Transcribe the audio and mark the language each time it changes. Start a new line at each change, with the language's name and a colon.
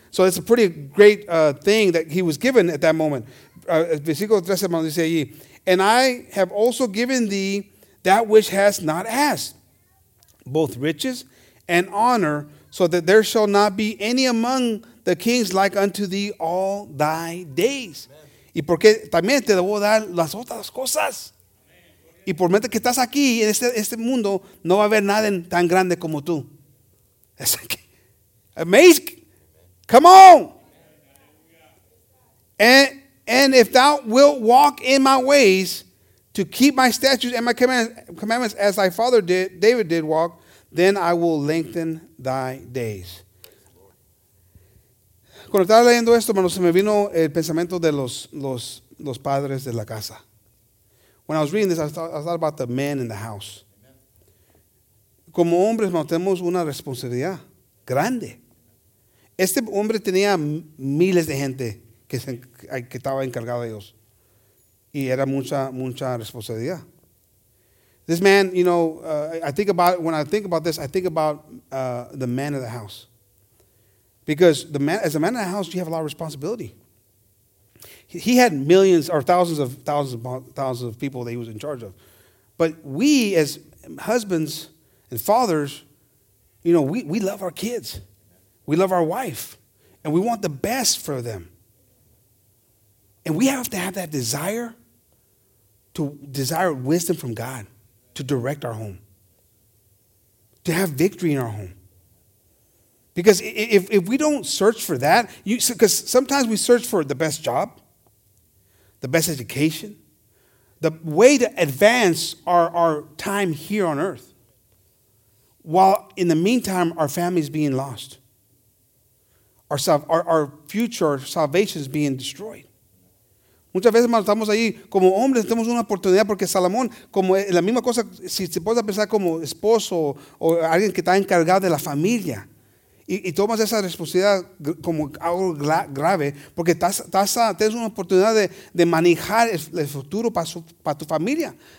English: So it's a pretty great thing that he was given at that moment.
Spanish: Versículo 13, hermanos, dice allí,
English: and I have also given thee that which hast not asked, both riches and honor, so that there shall not be any among the kings like unto thee all thy days.
Spanish: Amen. Y porque también te debo dar las otras cosas. Amen. Y por mente que estás aquí en este mundo, no va a haber nada tan grande como tú.
English: It's like, amazing. Come on. And if thou wilt walk in my ways to keep my statutes and my commandments as thy father did, David did walk, then I will lengthen thy days.
Spanish: Cuando estaba leyendo esto, hermano, se me vino el pensamiento de los padres de la casa.
English: When I was reading this, I thought about the men in the house.
Spanish: Como hombres, hermano, tenemos una responsabilidad grande. Este hombre tenía miles de gente que estaba encargado de ellos. Y era mucha, mucha responsabilidad.
English: This man, you know, I think about the man of the house. Because the man, as a man of the house, you have a lot of responsibility. He had millions or thousands of people that he was in charge of. But we, as husbands and fathers, you know, we love our kids. We love our wife. And we want the best for them. And we have to have that desire wisdom from God to direct our home, to have victory in our home. Because if we don't search for that, because sometimes we search for the best job, the best education, the way to advance our time here on earth, while in the meantime, our family is being lost. Our future, our salvation is being destroyed.
Spanish: Muchas veces, hermanos, estamos ahí como hombres, tenemos una oportunidad porque Salomón, como la misma cosa, si se puede pensar como esposo o alguien que está encargado de la familia, y tomas esa responsabilidad como algo grave, porque tienes una oportunidad de manejar el futuro para tu familia.